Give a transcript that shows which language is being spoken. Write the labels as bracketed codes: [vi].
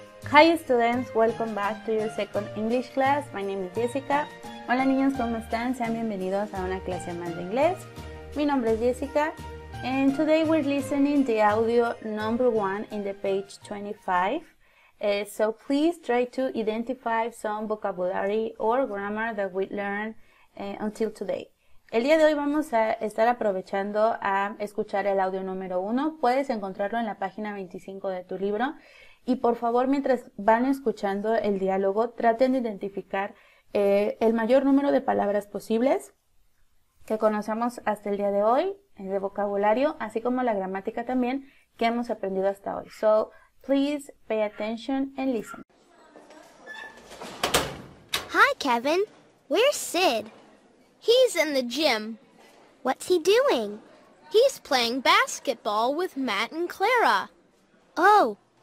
[en] Hi students, welcome back to your second English class. My name is Jessica. [es] Hola niños, ¿cómo están? Sean bienvenidos a una clase más de inglés. Mi nombre es Jessica. [en] And today we're listening the audio number one in the page 25. So please try to identify some vocabulary or grammar that we learned until today. [es] El día de hoy vamos a estar aprovechando a escuchar el audio número uno. Puedes encontrarlo en la página 25 de tu libro. Y por favor, mientras van escuchando el diálogo, traten de identificar el mayor número de palabras posibles que conocemos hasta el día de hoy, de vocabulario, así como la gramática también que hemos aprendido hasta hoy. [en] So, please pay attention and listen. Hi, Kevin. Where's Sid? He's in the gym. What's he doing? He's playing basketball with Matt and Clara. Oh.